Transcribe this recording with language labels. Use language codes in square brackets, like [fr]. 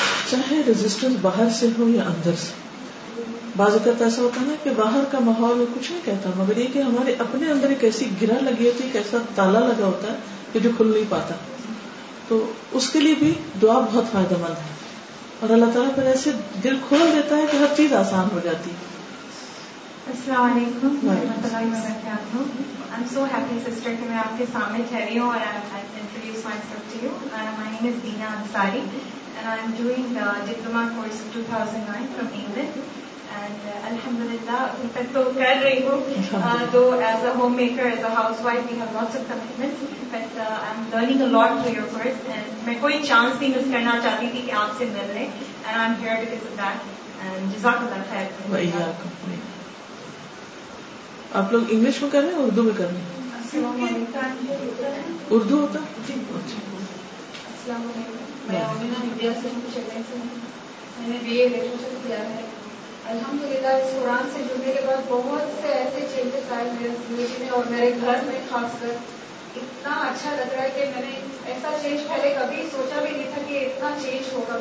[ur] چاہے ریزسٹنس باہر سے ہو یا اندر سے, بعض اوقات ایسا ہوتا نا کہ باہر کا ماحول میں کچھ نہیں کہتا مگر یہ کہ ہمارے اپنے اندر ایک ایسی گرا لگی ہوتی ہے, کیسا تالا لگا ہوتا ہے کہ جو کھل نہیں پاتا. تو اس کے لیے بھی دعا بہت فائدہ مند ہے اور اللہ تعالیٰ پر ایسے دل کھول دیتا ہے کہ ہر چیز آسان ہو جاتی. [en] السلام علیکم, and I'm doing the diploma course 2009 from England, and [ur] alhamdulillah to kar rahi hu, [en] though as a homemaker, as a housewife, we have lots of commitments, but I'm learning a lot through your course, and [ur] main koi chance nahi miss karna chahti thi ki aap se milne, [en] and I'm here because of that, and jazakallah khair. [ur] آپ لوگ English میں کر رہے ہیں اردو میں کر رہے ہیں؟ اردو ہوتا السلام علیکم. میں امینہ ندیا سنگھ کی شکل سے ہوں, میں نے بی اے لٹریچر کیا ہے. الحمد للہ اس قرآن سے جڑنے کے بعد بہت سے ایسے چینجز آئے میرے زندگی میں اور میرے گھر میں, خاص کر اتنا اچھا لگ رہا ہے کہ میں نے ایسا چینج پہلے کبھی سوچا بھی نہیں تھا کہ اتنا چینج ہوگا.